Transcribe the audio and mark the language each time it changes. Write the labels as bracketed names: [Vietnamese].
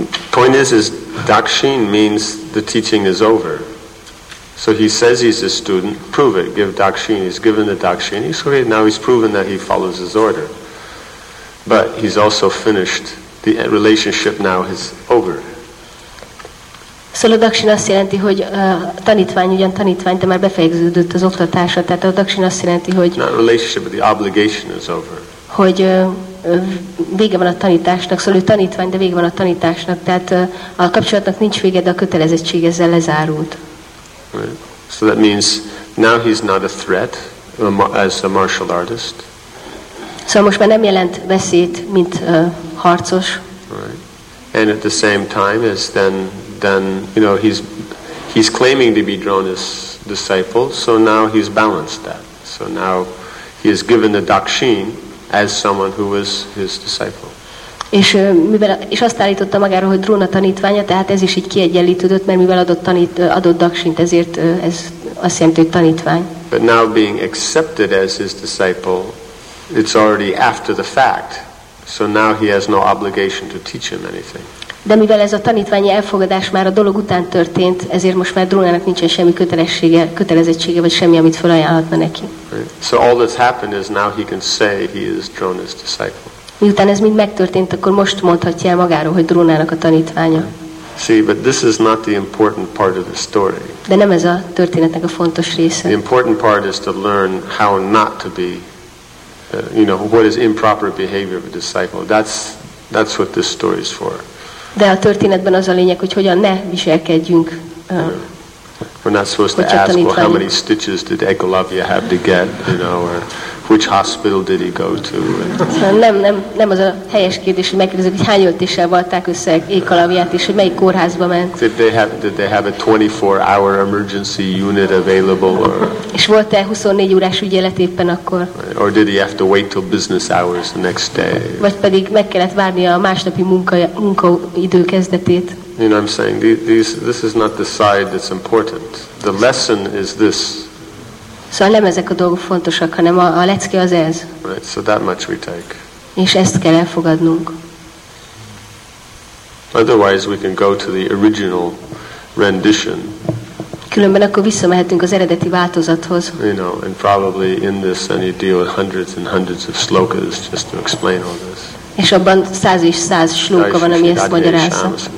[English] Point is Dakshin means the teaching is over. So he says he's a student, prove it, give Dakshin. He's given the Dakshin. He's great. Now he's proven that he follows his order. But he's also finished. The relationship now is over. [Hungarian] Szóval a dakshin azt jelenti, hogy tanítvány ugyan tanítvány, de már befejeződött az oktatása. Tehát a dakshin azt jelenti, hogy [English] not relationship, but the obligation is over. [Hungarian] Hogy vége van a tanításnak, szóval ő tanítvány, de vége van a tanításnak. Tehát a kapcsolatnak nincs vége, de a kötelezettség ezzel lezárult. [English] Right. So that means now he's not a threat as a martial artist. [Hungarian] Szóval most már nem jelent veszélyt, mint harcos. [English] Right. And at the same time is then you know he's claiming to be Drona's disciple, so now he's balanced that. So now he has given the dakshin as someone who was his disciple. [Hungarian] És mivel és azt állította magáról, hogy Drona tanítványa, tehát ez is így kiegyenlítődött, mert mivel adott dakshint, ezért ez azt jelenti, hogy tanítvány. [English] But now being accepted as his disciple, it's already after the fact. So now he has no obligation to teach him anything. [Hungarian] De mivel ez a tanítványi elfogadás már a dolog után történt, ezért most már Drónának nincsen semmi kötelezettsége, vagy semmi, amit felajánlhatna neki. [English] Right. So all that's happened is now he can say he is Drona's disciple. [Hungarian] Miután ez mind megtörtént, akkor most mondhatja el magáról, hogy Drónának a tanítványa. [English] See, but this is not the important part of the story. [Hungarian] De nem ez a történetnek a fontos része. [English] The important part is to learn how not to be, you know, what is improper behavior of a disciple. That's what this story is for. [Hungarian] De a történetben az a lényeg, hogy hogyan ne viselkedjünk. [English] We're not supposed to ask, well, how many stitches did Ekalavya have to get, you know, or which hospital did he go to? [Hungarian] Nem az a helyes kérdés, hogy megkérdezik, hogy hány öltéssel valták össze Ekalavyát, és hogy melyik kórházba ment. [English] Did they have a 24-hour emergency unit available? Or, [Hungarian] és volt-e 24 órás ügyelet éppen akkor? [English] Or did he have to wait till business hours the next day? [Hungarian] Vagy pedig meg kellett várni a másnapi munkaidő kezdetét? [English] You know, I'm saying this is not the side that's important. The lesson is this. [Hungarian] Szóval nem ezek a dolgok fontosak, hanem a lecke az ez. [English] Right, so that much we take. [Hungarian] És ezt kell elfogadnunk. [English] Otherwise we can go to the original rendition. [Hungarian] Különben akkor visszamehetünk az eredeti változathoz. [English] You know, and probably in this and you deal with hundreds and hundreds of slokas just to explain all this. [Hungarian] És abban száz és száz slóka van, ami ezt magyarázza.